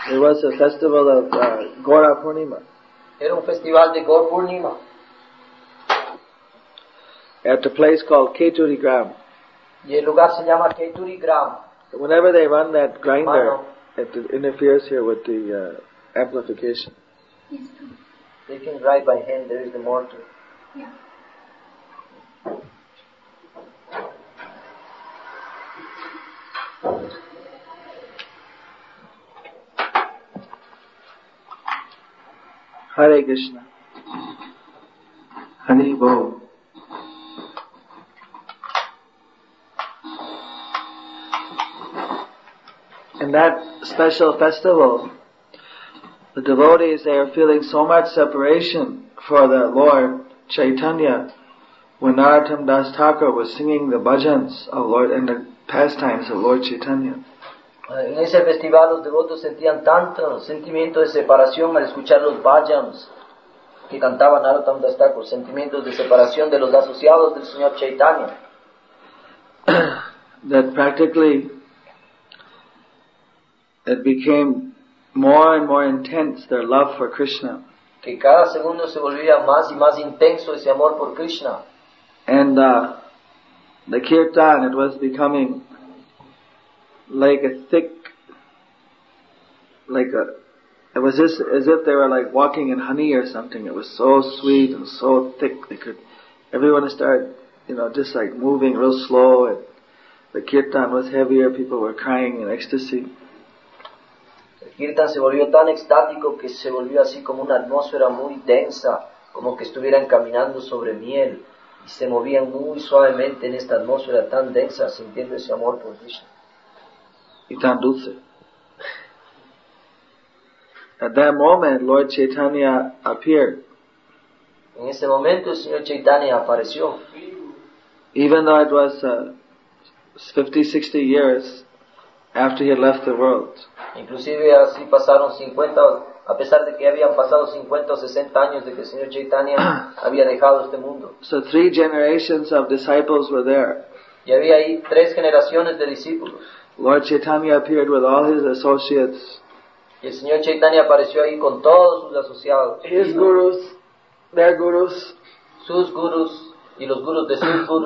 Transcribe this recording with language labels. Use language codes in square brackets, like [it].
[en] It was a festival of Gaura Purnima. [es] Era un festival de Gaura Purnima. [en] At a place called Keturi Gram. [es] Y el lugar se llama Keturi Gram. [en] Whenever they run that grinder, it interferes here with the amplification. They can drive by hand, there is the mortar. Yeah. Hare Krishna. Hare Bol. In that special festival, the devotees, they are feeling so much separation for the Lord Chaitanya. When Narottam Das Thakur was singing the bhajans of Lord and the pastimes of Lord Chaitanya. [es] En ese festival los devotos sentían tanto sentimiento de separación al escuchar los bhajans que cantaba Narottam Das Thakur, sentimientos de separación de los asociados del Señor Chaitanya. [en] That practically it became more and more intense their love for Krishna. [es] Que cada segundo se volvía más y más intenso ese amor por Krishna. [en] And the kirtan, it was becoming like a thick, like a, it was just as if they were like walking in honey or something. It was so sweet and so thick. They could, everyone started, you know, just like moving real slow. And the kirtan was heavier. People were crying in ecstasy. [es] El kirtan se volvió tan extático que se volvió así como una atmósfera muy densa, como que estuvieran caminando sobre miel. Y se movían muy suavemente en esta atmósfera tan densa, sintiendo ese amor por Krishna. Y tan dulce. [en] At that moment, Lord Chaitanya appeared. [es] En ese momento, el Señor Chaitanya apareció. [en] Even though it was 50-60 years after he had left the world. [es] Inclusive así pasaron 50, a pesar de que habían pasado 50 o 60 años de que el Señor Chaitanya había dejado este mundo. [en] So three generations of disciples were there. [es] Y había ahí tres generaciones de discípulos. [en] Lord Chaitanya appeared with all his associates. [es] Y el Señor Chaitanya apareció ahí con todos sus asociados. [en] His gurus, their gurus, [es] sus gurus y los gurus de sus gurus,